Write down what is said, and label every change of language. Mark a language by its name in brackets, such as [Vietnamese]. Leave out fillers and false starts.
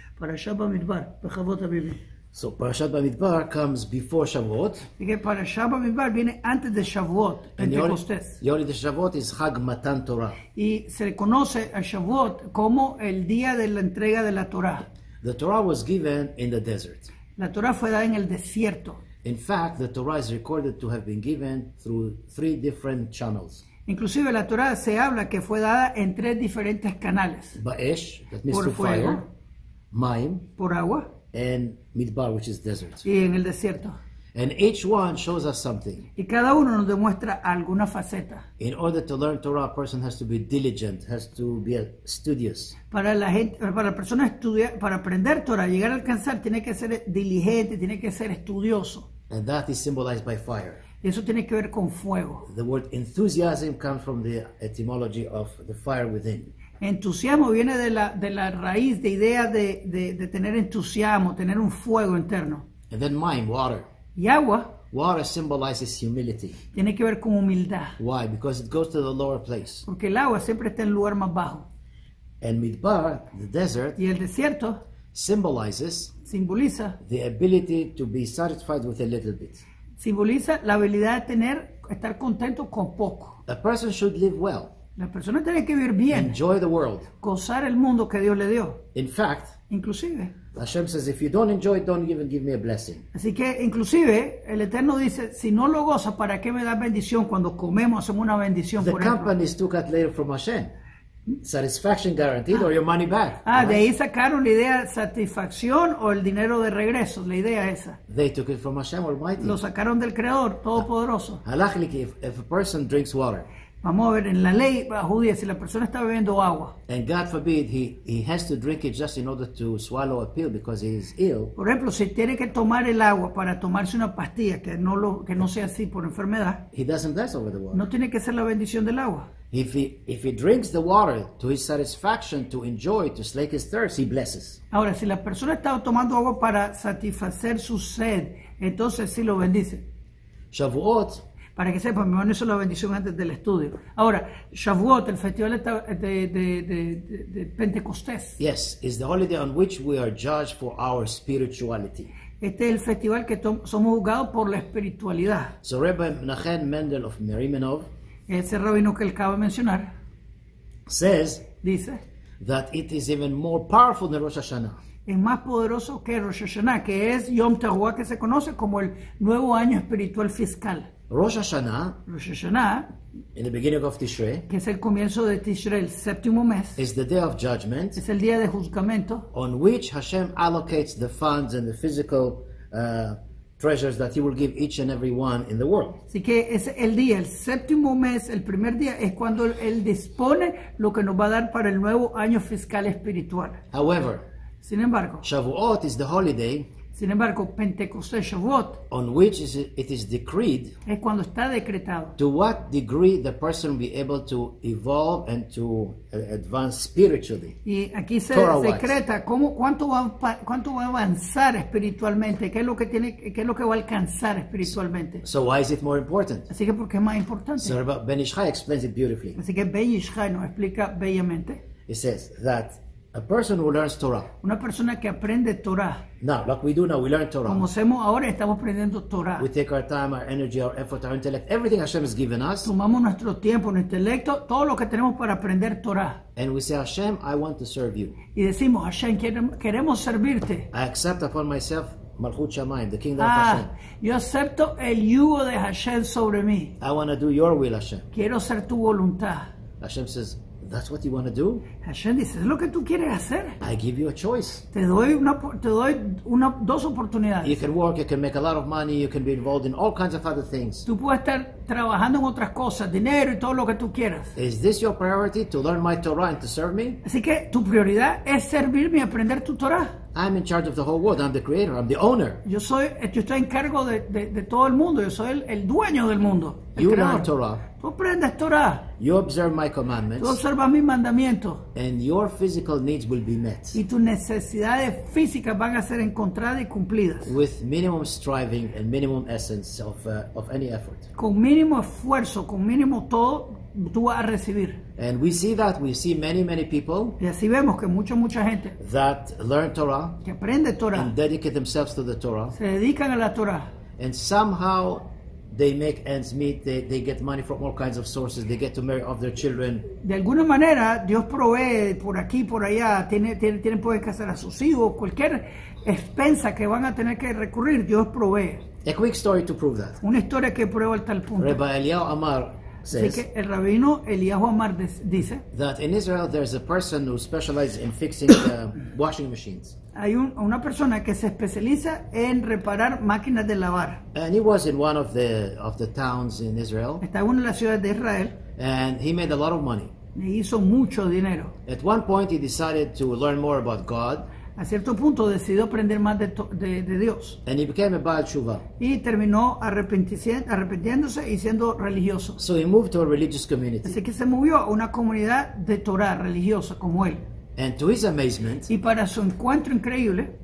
[English] Parashat Bamidbar, Bechavot Habibi. So, Parashat Bamidbar comes before Shavuot. [Spanish] Y que Parashat Bamidbar viene antes de Shavuot, Pentecostés. Y ahora de Shavuot es Hag Matan Torah. Y se conoce a Shavuot como el día de la entrega de la Torah. [English] The Torah was given in the desert. [Spanish] La Torah fue dada en el desierto. [English] In fact, the Torah is recorded to have been given through three different channels. [Spanish] Inclusive la Torah se habla que fue dada en tres diferentes canales. [English] Ba'esh, that means through fire. Maim, [Spanish] por agua, [English] and Midbar, which is desert. [Spanish] Y en el desierto. [English] And each one shows us something. [Spanish] Y cada uno nos demuestra alguna faceta. [English] In order to learn Torah, a person has to be diligent, has to be studious. [Spanish] Para la gente, para la persona estudiar, para aprender Torah, llegar a alcanzar, tiene que ser diligente, tiene que ser estudioso. [English] And that is symbolized by fire. [Spanish] Y eso tiene que ver con fuego. [English] The word enthusiasm comes from the etymology of the fire within. [Spanish] Entusiasmo viene de la raíz de idea de tener entusiasmo, tener un fuego interno. [English] And then mine, water. [Spanish] Y agua. [English] Water symbolizes humility. [Spanish] Tiene que ver con humildad. [English] Why? Because it goes to the lower place. [Spanish] Porque el agua siempre está en el lugar más bajo. [English] And Midbar, the desert. [Spanish] Y el desierto. [English] Symbolizes. [Spanish] Simboliza. [English] The ability to be satisfied with a little bit. [Spanish] Simboliza la habilidad de tener estar contento con poco. [English] A person should live well. [Spanish] La persona tiene que vivir bien. [English] Enjoy the world. [Spanish] Gozar el mundo que Dios le dio. [English] In fact, [Spanish] inclusive, [English] Hashem says, if you don't enjoy it, don't even give me a blessing. [Spanish] Así que, inclusive, el Eterno dice, si no lo goza, ¿para qué me da bendición cuando comemos, hacemos una bendición? [English] The companies took that later from Hashem. Satisfaction guaranteed or your money back. [Spanish] Ah, de ahí sacaron la idea satisfacción o el dinero de regreso, la idea esa. [English] They took it from Hashem Almighty. [Spanish] Lo sacaron del Creador, Todopoderoso. [English] Halachically, if a person drinks water. [Spanish] Vamos a ver, en la ley judía, si la persona está bebiendo agua. [English] And God forbid, he has to drink it just in order to swallow a pill because he is ill. [Spanish] Por ejemplo, si tiene que tomar el agua para tomarse una pastilla, que no sea así por enfermedad. [English] He doesn't bless over the water. [Spanish] No tiene que ser la bendición del agua. [English] If he drinks the water to his satisfaction, to enjoy, to slake his thirst, he blesses. [Spanish] Ahora, si la persona está tomando agua para satisfacer su sed, entonces sí lo bendice. [English] Shavuot. [Spanish] Para que sepan, mi hermano, eso es la bendición antes del estudio. Ahora, Shavuot, el festival de Pentecostés. [English] Yes, is the holiday on which we are judged for our spirituality. [Spanish] Este es el festival que somos juzgados por la espiritualidad. [English] So Rabbi Nachman Mendel of Merimenov. [Spanish] Ese rabino que él acaba de mencionar. [English] Says. [Spanish] Dice. [English] That it is even more powerful than Rosh Hashanah. [Spanish] Es más poderoso que Rosh Hashanah, que es Yom Teruah, que se conoce como el nuevo año espiritual fiscal. [English] Rosh Hashanah, [Spanish] Rosh Hashanah, [English] in the beginning of Tishrei, [Spanish] que es el comienzo de Tishrei, el séptimo mes, [English] is the day of judgment, [Spanish] es el día de juzgamento, [English] on which Hashem allocates the funds and the physical treasures that He will give each and every one in the world. [Spanish] Así que es el día, el séptimo mes, el primer día, es cuando Él dispone lo que nos va a dar para el nuevo año fiscal espiritual. [English] However, [Spanish] sin embargo, [English] Shavuot is the holiday. [Spanish] Sin embargo, Pentecostés Shavuot, [English] on which it is decreed, [Spanish] es cuando está decretado, [English] to what degree the person will be able to evolve and to advance spiritually. [Spanish] Y aquí se decreta cuánto va a avanzar espiritualmente, qué es lo que va a alcanzar espiritualmente. [English] So why is it more important? [Spanish] Así que porque es más importante. [English] So Rabbi Ben Ishchai explains it beautifully. [Spanish] Así que Ben Ishchai nos explica bellamente. [English] He says that a person who learns Torah. [Spanish] Una persona que aprende Torah. [English] Now, like we do now, we learn Torah. [Spanish] Como hacemos ahora, estamos aprendiendo Torah. [English] We take our time, our energy, our effort, our intellect, everything Hashem has given us. [Spanish] Tomamos nuestro tiempo, nuestro intelecto, todo lo que tenemos para aprender Torah. [English] And we say, Hashem, I want to serve you. [Spanish] Y decimos, Hashem, queremos servirte. [English] I accept upon myself Malchut Shamayim, the kingdom of Hashem. [Spanish] Yo acepto el yugo de Hashem sobre mí. [English] I want to do your will, Hashem. [Spanish] Quiero hacer tu voluntad. [English] Hashem says, that's what you want to do? [Spanish] Hashem dice, es lo que tú quieres hacer. [English] I give you a choice. [Spanish] Te doy dos oportunidades. [English] You can work, you can make a lot of money, you can be involved in all kinds of other things. [Spanish] Tú puedes estar trabajando en otras cosas, dinero y todo lo que tú quieras. [English] Is this your priority, to learn my Torah and to serve me? [Spanish] Así que tu prioridad es servirme y aprender tu Torah. [English] I'm in charge of the whole world. I'm the creator. I'm the owner. [Spanish] Yo soy, yo estoy en cargo de todo el mundo. Yo soy el dueño del mundo. [English] You learn Torah. [Spanish] Tú aprendes Torah. [English] You observe my commandments. [Spanish] Tú observas mis mandamientos. [English] And your physical needs will be met. [Spanish] Y tus necesidades físicas van a ser encontradas y cumplidas. [English] With minimum striving and minimum essence of any effort. [Spanish] Con mínimo esfuerzo, con mínimo todo, tú vas a recibir. [English] And we see that we see many many people. [Spanish] Y así vemos que mucha gente [English] that learn Torah. [Spanish] Que aprende Torah. [English] And dedicate themselves to the Torah. [Spanish] Se dedican a la Torah. [English] And somehow they make ends meet. They get money from all kinds of sources. They get to marry off their children. [Spanish] De alguna manera, Dios provee por aquí, por allá. Tienen pueden casar a sus hijos. Cualquier expensa que van a tener que recurrir, Dios provee. [English] A quick story to prove that. [Spanish] Una historia que prueba hasta el punto. [English] Rabbi Eliyahu Amar says. [Spanish] Así que el rabino Eliyahu Amar dice. [English] That in Israel there's a person who specializes in fixing the washing machines. [Spanish] Hay una persona que se especializa en reparar máquinas de lavar. [English] And he was in one of the towns in Israel. [Spanish] Está en una de las ciudades de Israel. [English] And he made a lot of money. [Spanish] Y hizo mucho dinero. [English] At one point he decided to learn more about God. [Spanish] A cierto punto decidió aprender más de Dios. [English] And he became a Baal Shuvah. [Spanish] Y terminó arrepintiéndose y siendo religioso. [English] So he moved to a religious community. [Spanish] Así que se movió a una comunidad de Torah religiosa como él. [English] And to his amazement, [Spanish] y para su encuentro increíble,